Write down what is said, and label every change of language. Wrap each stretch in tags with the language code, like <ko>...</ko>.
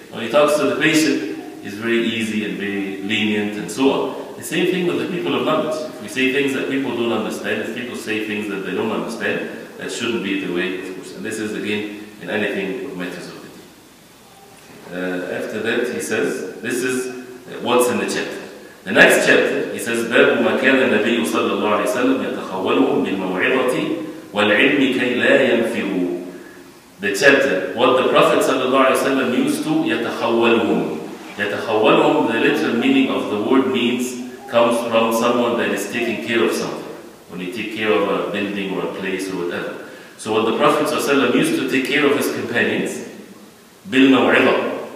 <en>When he talks to the patient, he's very easy and very lenient and so on. The same thing with the people of knowledge. If we say things that people don't understand, if people say things that they don't understand, that shouldn't be the way, of course. And this is, again, in anything of matters of the deen. After that, he says, this is what's in the chapter. The next chapter, he says,</en> <ar>باب ما كان النبي صلى الله عليه وسلم يتخولهم بالموعظة والعلم كي لا ينفروا.</ar> <en>The chapter, what the Prophet ﷺ used to, يتخولهم. يتخولهم, the literal meaning of the word means, comes from someone that is taking care of something. When you take care of a building or a place or whatever. So what the Prophet ﷺ used to take care of his companions, بالموعظة.</en>